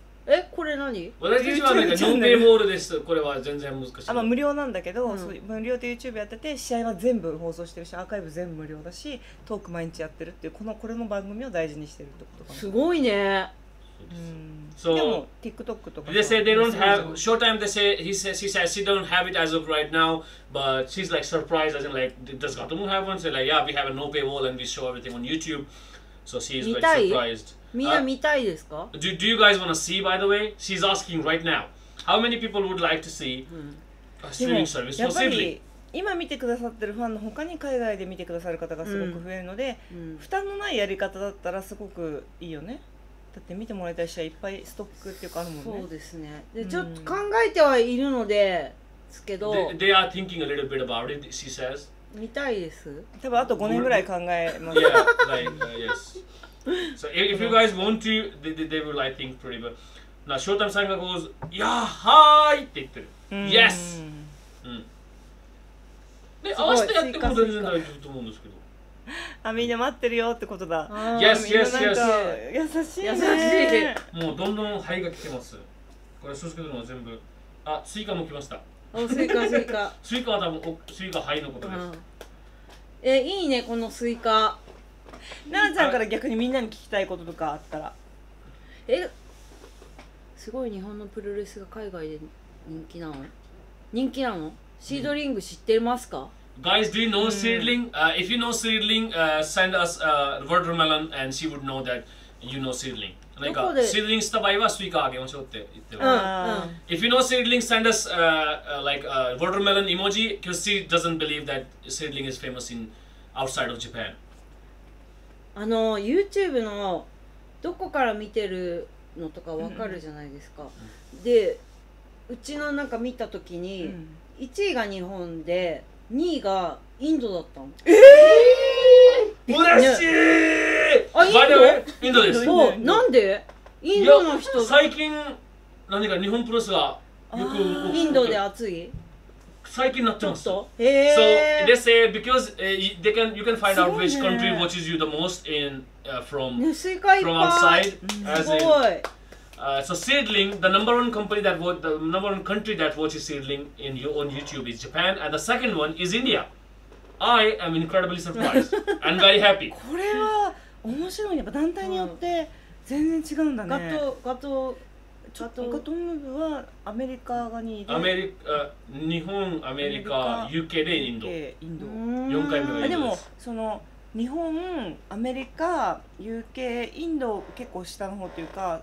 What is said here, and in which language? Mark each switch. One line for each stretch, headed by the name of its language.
Japanese: え、これ何？私たちはなんかノンペイモールです。これは全然難しい。あ、まあ、無料なんだけど、うん、そう無料で YouTube やってて、試合は全部放送してるし、アーカイブ全部無料だし、トーク毎日やってるっていう、これの番組を大事にしてるってことかな。すごいね。うん。
English: So,
Japanese: でも TikTok とか。
English: They say they don't have Showtime. They say she says she don't have it as of right now, but she's like surprised. As in like, does Gato Move have one? So like, yeah, we have a no paywall and we show everything on YouTube. So she is very surprised.
Japanese: みんな見たいですか？
English: Do you guys want to see? By the way, she's asking right now. How many people would like to see a streaming service for Sibley?
Japanese: 今見てくださってるファンの他に海外で見てくださる方がすごく増えるので、負担のないやり方だったらすごくいいよね。だって見てもらいたい試合いっぱいストックっていうかあるもんね。そうですね。で、ちょっと考えてはいるのですけど。
English: They are thinking a little bit about it, she says.
Japanese: 見たいです。多分あと5年ぐらい考えます。
English: Yeah, like, yes. So if you guys want to, they will, I think, pretty good. Now, Showtime さんが goes, yeah, hi! って言ってる。Yes!
Japanese: で、合わせてやっても全然大丈夫と思うんですけど。あ、みんな待ってるよってことだ。
English: Yes, yes, yes.
Japanese: 優しいね。もうどんどん灰が来てます。これ、スースケドルの全部。あ、スイカも来ました。お、スイカ、スイカ。スイカは多分、スイカハイのことです、うん。え、いいね、このスイカ。奈々ちゃんから逆にみんなに聞きたいこととかあったら。え、すごい日本のプロレスが海外で人気なの？人気なの？シードリング知ってますか？
English: Guys, do you know Seedling? If you know Seedling, send us a watermelon and she would know that you know Seedling.
Japanese: Like, Seedling した場合はスイカあげましょうって言ってます。
English: If you know Seedling, send us like a watermelon emoji because she doesn't believe that Seedling is famous in outside of Japan.
Japanese: あの、YouTube のどこから見てるのとかわかるじゃないですか。で、うちのなんか見たときに、1位が日本で、2位がインドだったの。嬉しい。あ、インドです。そう、なんでインドの人。最近何か日本プロレスがよくインドで熱い。最近なってます。へえ。
English: So they say because they can you can find out which country watches you the most in from from outside as in. So Seedling, the number one company that watch, the number one country that watches Seedling in your own YouTube is Japan, and the second one is India. I am incredibly surprised and very happy.
Japanese: これは面白い。やっぱ団体によって全然違うんだね。ガトムブはアメリカが2位で、アメリカ、日本、アメリカ、UK でインド、インド、 4回目がインドです。でもその日本、アメリカ、UK、インド結構下の方というか、